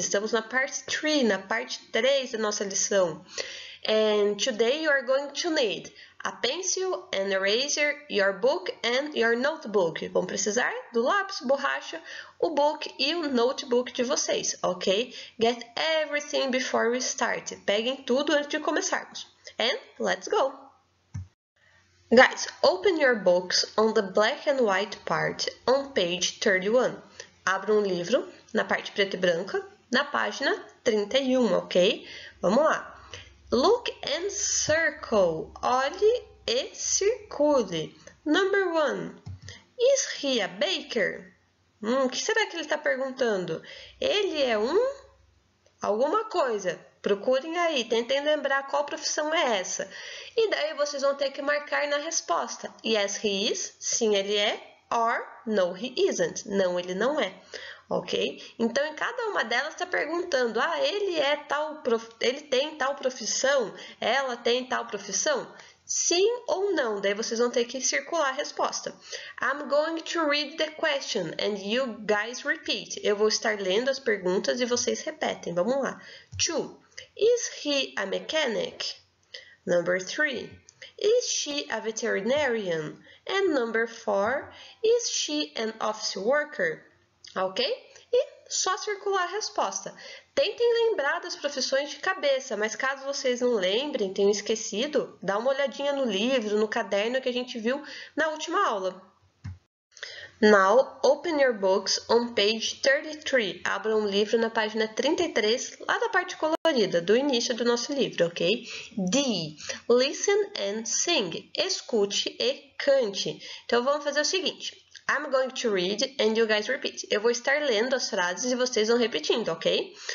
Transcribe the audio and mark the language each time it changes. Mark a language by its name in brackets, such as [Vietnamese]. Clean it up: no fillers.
[Portuguese] Estamos na parte 3, na parte 3 da nossa lição. [English] And today you are going to need a pencil, an eraser, your book and your notebook. [Portuguese] Vão precisar do lápis, borracha, o book e o notebook de vocês, ok? [English] Get everything before we start. [Portuguese] Peguem tudo antes de começarmos. [English] And let's go! Guys, open your books on the black and white part on page 31. [Portuguese] Abra um livro na parte preta e branca, na página 31, ok? Vamos lá! [English] Look and circle. [Portuguese] Olhe e circule. [English] Number one. Is he a baker? [Portuguese] O que será que ele está perguntando? Ele é um? Alguma coisa. Procurem aí, tentem lembrar qual profissão é essa. E daí vocês vão ter que marcar na resposta. [English] Yes, he is. [Portuguese] Sim, ele é. [English] Or no, he isn't. [Portuguese] Não, ele não é. Ok? Então, em cada uma delas, está perguntando: ah, ele tem tal profissão? Ela tem tal profissão? Sim ou não? Daí vocês vão ter que circular a resposta. [English] I'm going to read the question and you guys repeat. [Portuguese] Eu vou estar lendo as perguntas e vocês repetem. Vamos lá. [English] Two. Is he a mechanic? Number three. Is she a veterinarian? And number four. Is she an office worker? Ok? [Portuguese] Só circular a resposta. Tentem lembrar das profissões de cabeça, mas caso vocês não lembrem, tenham esquecido, dá uma olhadinha no livro, no caderno que a gente viu na última aula. [English] Now, open your books on page 33. [Portuguese] Abra um livro na página 33, lá da parte colorida, do início do nosso livro, ok? [English] D. Listen and sing. [Portuguese] Escute e cante. Então, vamos fazer o seguinte. [English] I'm going to read and you guys repeat. [Portuguese] Eu vou estar lendo as frases e vocês vão repetindo, ok?